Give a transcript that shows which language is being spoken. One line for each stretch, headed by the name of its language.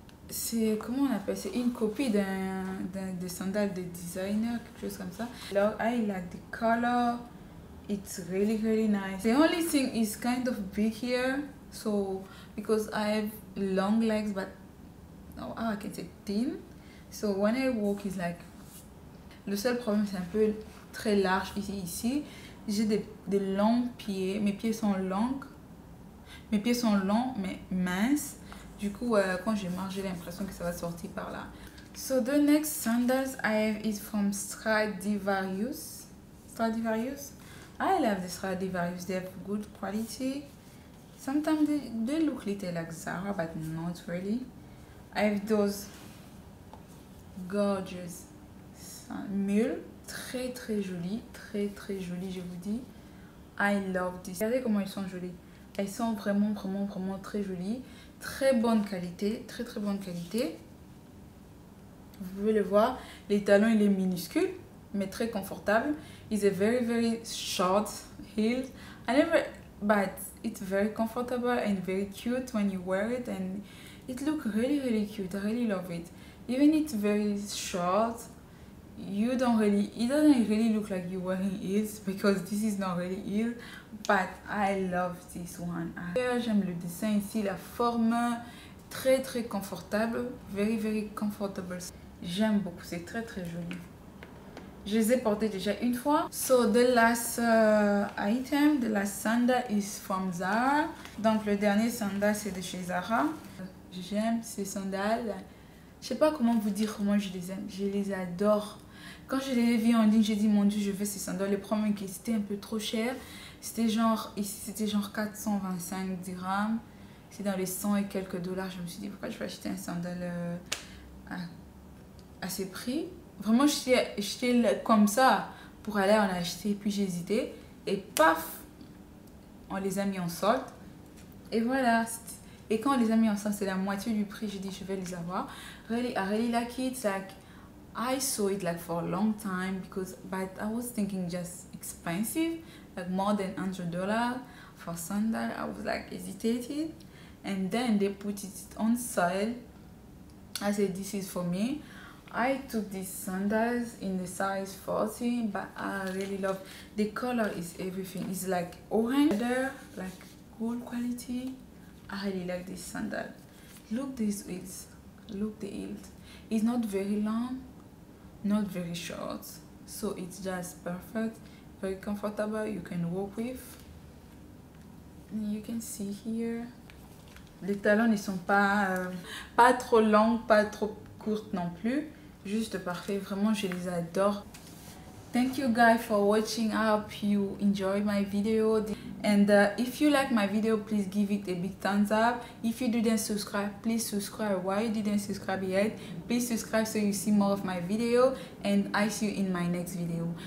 French: C'est comment on appelle, c'est une copie d'un sandal de designer, quelque chose comme ça.
English: Alors, I like the color. It's really, really nice. The only thing is kind of big here. So, because I have long legs, but oh, I can say thin. So, when I walk, it's like...
French: Le seul problème, c'est un peu très large ici. J'ai des longs pieds. Mes pieds sont longs. Mes pieds sont longs, mais minces. Du coup, quand j'ai marché, j'ai l'impression que ça va sortir par là.
English: So, the next sandals I have is from Stradivarius. Stradivarius? I love the Stradivarius. They have good quality. Sometimes they look little like Zara, but not really. I have those gorgeous mules.
French: Très, très jolies. Très, très jolies, je vous dis.
English: I love this.
French: Regardez comment elles sont jolies. Elles sont vraiment, vraiment, vraiment très jolies. Très bonne qualité, très très bonne qualité. Vous pouvez le voir, les talons il est minuscule, mais très confortable.
English: It's a very very short heel. I never, but it's very comfortable and very cute when you wear it and it look really really cute. I really love it. Even it's very short, you don't really, it doesn't really look like you're wearing heels because this is not really heels. But I love this one.
French: J'aime le dessin ici, la forme très très confortable.
English: Very very comfortable.
French: J'aime beaucoup, c'est très très joli. Je les ai portés déjà une fois.
English: So the last item, the last sandal is from Zara.
French: Donc le dernier sandal c'est de chez Zara. J'aime ces sandales. Je sais pas comment vous dire comment je les aime. Je les adore. Quand je les ai vus en ligne, j'ai dit mon dieu, je veux ces sandales. Le problème qui c'était un peu trop cher. C'était genre 425 dirhams. c'est dans les 100 et quelques dollars. Je me suis dit, pourquoi je vais acheter un sandal à ce prix? Vraiment, j'étais comme ça pour aller en acheter. Puis j'ai hésité et paf, on les a mis en solde. Et voilà. Et quand on les a mis en solde, c'est la moitié du prix. J'ai dit, je vais les avoir.
English: I really like it. Like, I saw it like for a long time because, but I was thinking just expensive, like more than $100 for sandal. I was like hesitated, and then they put it on sale. I said, this is for me. I took these sandals in the size 14, but I really love the color. Is everything, it's like orange, like gold quality. I really like this sandal. Look this heels. Look the heels. It's not very long, not very short, so it's just perfect, very comfortable. You can walk with. And you can see here.
French: Les talons ne sont pas trop longs, pas trop courts non plus. Juste parfait, vraiment je les adore.
English: Thank you guys for watching. I hope you enjoy my video. And if you like my video, please give it a big thumbs up. If you didn't subscribe, please subscribe. Why you didn't subscribe yet? Please subscribe so you see more of my video. And I see you in my next video.